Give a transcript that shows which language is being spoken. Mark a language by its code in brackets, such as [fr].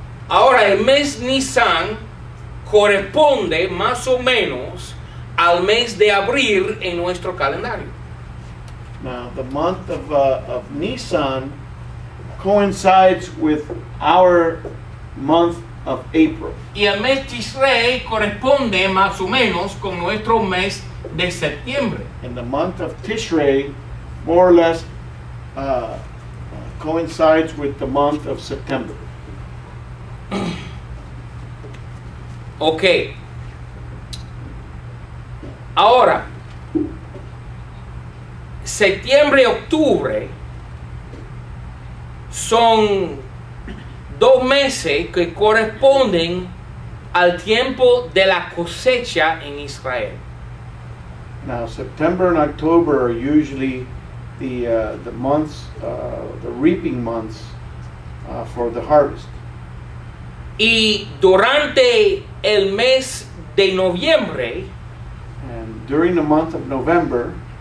[es] Ahora el mes Nisan corresponde más o menos al mes de abril en nuestro calendario. [en] Now the month of Nisan coincides with our month of April. [es] Y el mes Tishrei corresponde más o menos con nuestro mes de septiembre. [en] And the month of Tishrei more or less coincides with the month of September. Okay. [es] Ahora, septiembre y octubre son dos meses que corresponden al tiempo de la cosecha en Israel. [en] Now, September and October are usually the months, the reaping months for the harvest. [es] Y durante el mes de noviembre, [en] and during the month of November,